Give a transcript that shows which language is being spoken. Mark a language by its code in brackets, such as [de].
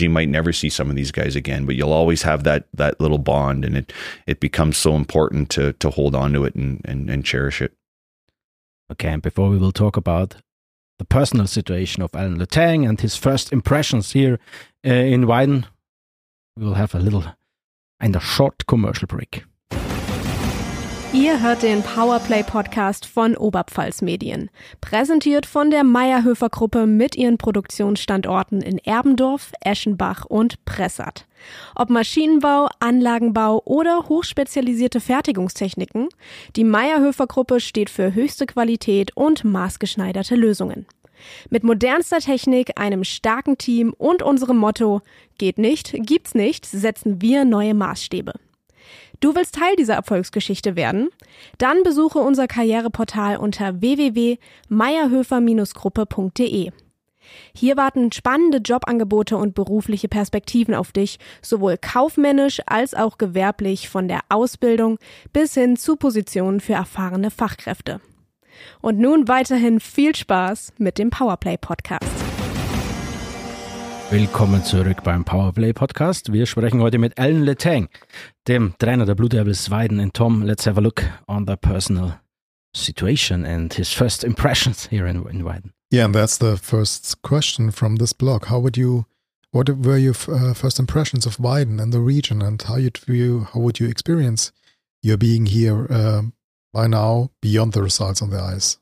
[en] You might never see some of these guys again, but you'll always have that little bond, and it becomes so important to hold on to it and cherish it. Okay, and before we will talk about the personal situation of Alan Letang and his first impressions here in Weiden, we will have a little and a short commercial break. [de] Ihr hört den Powerplay-Podcast von Oberpfalz Medien, präsentiert von der Meierhöfer-Gruppe mit ihren Produktionsstandorten in Erbendorf, Eschenbach und Pressat. Ob Maschinenbau, Anlagenbau oder hochspezialisierte Fertigungstechniken, die Meierhöfer-Gruppe steht für höchste Qualität und maßgeschneiderte Lösungen. Mit modernster Technik, einem starken Team und unserem Motto »Geht nicht, gibt's nicht« setzen wir neue Maßstäbe. Du willst Teil dieser Erfolgsgeschichte werden? Dann besuche unser Karriereportal unter www.meierhofer-gruppe.de. Hier warten spannende Jobangebote und berufliche Perspektiven auf dich, sowohl kaufmännisch als auch gewerblich, von der Ausbildung bis hin zu Positionen für erfahrene Fachkräfte. Und nun weiterhin viel Spaß mit dem Powerplay-Podcast. Willkommen zurück beim Powerplay Podcast. Wir sprechen heute mit Alan Letang, dem Trainer der Blue Devils Weiden. [en] And Tom, let's have a look on the personal situation and his first impressions here in Weiden. Yeah, and that's the first question from this blog. What were your first impressions of Weiden and the region, and how would you experience your being here by now beyond the results on the ice?